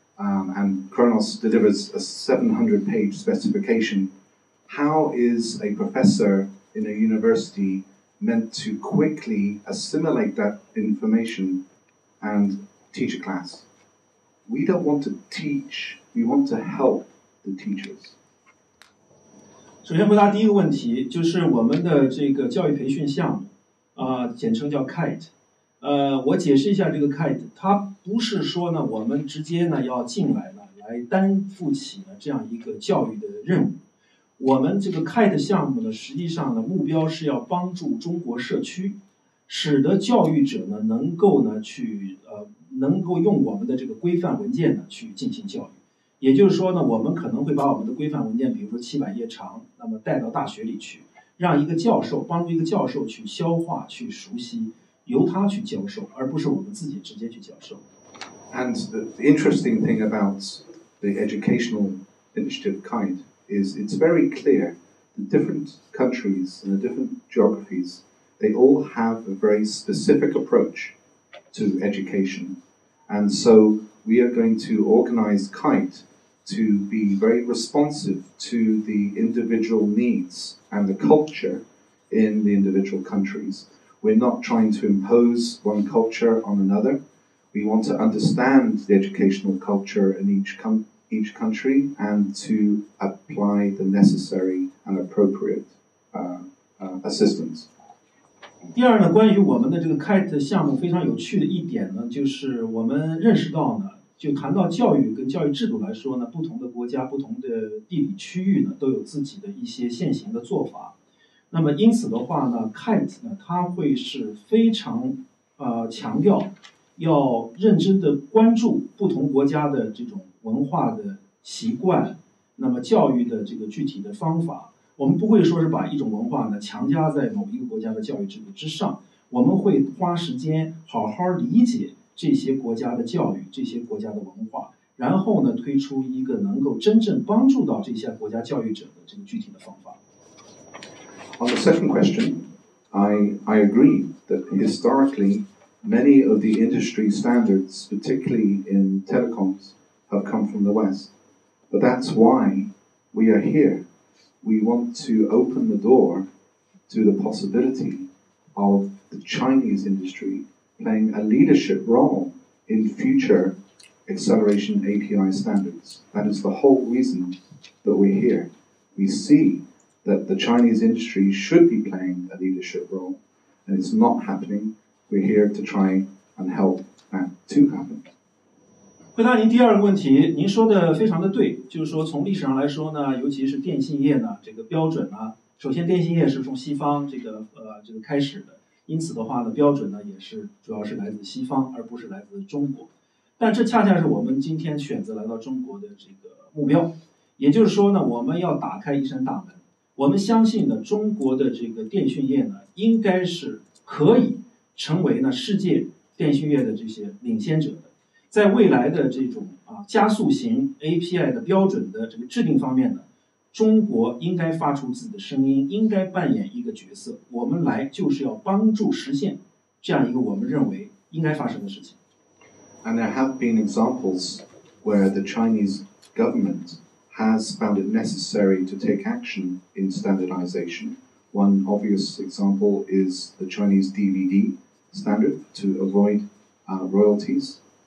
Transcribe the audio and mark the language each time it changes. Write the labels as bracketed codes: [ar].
[en] and Khronos delivers a 700-page specification, how is a professor in a university meant to quickly assimilate that information and teach a class? We don't want to teach, we want to help the teachers. [zh] 首先回答第一个问题，就是我们的这个教育培训项目，简称叫 KITE。我解释一下这个 KITE， 它不是说呢，我们直接呢要进来了，来担负起了这样一个教育的任务。我们这个 KITE 项目呢，实际上呢，目标是要帮助中国社区，使得教育者呢能够呢去能够用我们的这个规范文件呢去进行教育。也就是说呢，我们可能会把我们的规范文件，比如说700页长，那么带到大学里去，让一个教授帮助一个教授去消化、去熟悉，由他去教授，而不是我们自己直接去教授。 [en] And the interesting thing about the educational initiative KITE is it's very clear the different countries and the different geographies they all have a very specific approach to education, and so. We are going to organize KITE to be very responsive to the individual needs and the culture in the individual countries. We're not trying to impose one culture on another. We want to understand the educational culture in each country and to apply the necessary and appropriate assistance. [zh] 第二呢，关于我们的这个 KITE 项目非常有趣的一点呢，就是我们认识到呢，就谈到教育跟教育制度来说呢，不同的国家、不同的地理区域呢，都有自己的一些现行的做法。那么因此的话呢 ，KITE 呢，它会是非常强调要认真的关注不同国家的这种文化的习惯，那么教育的这个具体的方法。我们不会说是把一种文化呢强加在某一个国家的教育制度之上，我们会花时间好好理解这些国家的教育、这些国家的文化，然后呢推出一个能够真正帮助到这些国家教育者的这个具体的方法。 [en] On the second question, I agree that historically many of the industry standards, particularly in telecoms, have come from the West, but that's why we are here. We want to open the door to the possibility of the Chinese industry playing a leadership role in future acceleration API standards. That is the whole reason that we're here. We see that the Chinese industry should be playing a leadership role, and it's not happening. We're here to try and help that to happen. [zh] 回答您第二个问题，您说的非常的对，就是说从历史上来说呢，尤其是电信业呢，这个标准呢，首先电信业是从西方这个开始的，因此的话呢，标准呢也是主要是来自西方，而不是来自中国。但这恰恰是我们今天选择来到中国的这个目标，也就是说呢，我们要打开一扇大门。我们相信呢，中国的这个电讯业呢，应该是可以成为呢世界电讯业的这些领先者的。在未来的这种加速型 API 的标准的这个制定方面呢，中国应该发出自己的声音，应该扮演一个角色。我们来就是要帮助实现这样一个我们认为应该发生的事情。 [en] And there have been examples where the Chinese government has found it necessary to take action in standardization. One obvious example is the Chinese DVD standard to avoid royalties.